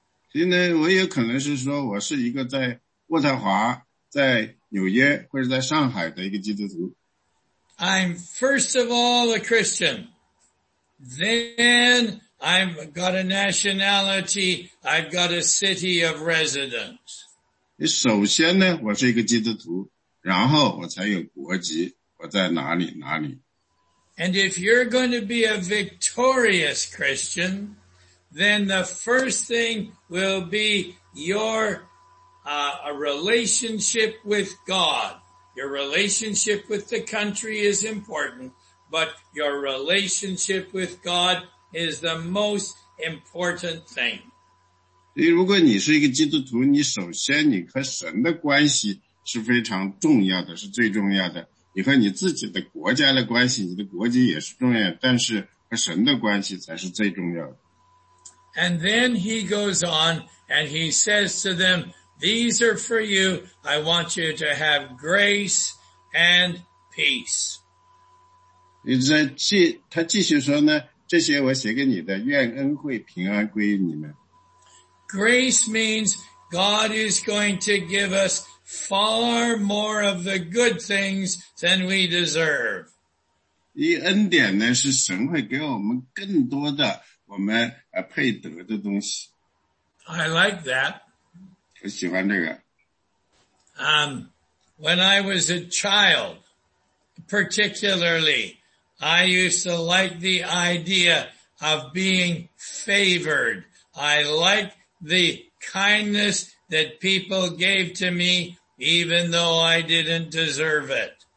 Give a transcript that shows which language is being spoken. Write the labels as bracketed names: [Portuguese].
[Chinese] 所以呢，我也可能是说我是一个在渥太华，在纽约或者在上海的一个基督徒。 [English] I'm first of all a Christian. Then I've got a nationality. I've got a city of residence. [Chinese] 你首先呢，我是一个基督徒，然后我才有国籍，我在哪里哪里。 [English] And if you're going to be a victorious Christian, then the first thing will be youra relationship with God. Your relationship with the country is important, but your relationship with God is the most important thing. [Chinese] 如果你是一个基督徒，你首先你和神的关系是非常重要的，是最重要的。你和你自己的国家的关系，你的国籍也是重要的，但是和神的关系才是最重要的。 [English] And then he goes on and he says to them,These are for you. I want you to have grace and peace. [Chinese] 他继续说呢，这些我写给你的，愿恩惠平安归于你们。 [English] Grace means God is going to give us far more of the good things than we deserve. [Chinese] 以恩典呢，是神会给我们更多的我们配得的东西。 [English] I like that. [Chinese] 我喜欢这个。 [English] When I was a child, particularly, I used to like the idea of being favored. I like the kindness that people gave to me, even though I didn't deserve it.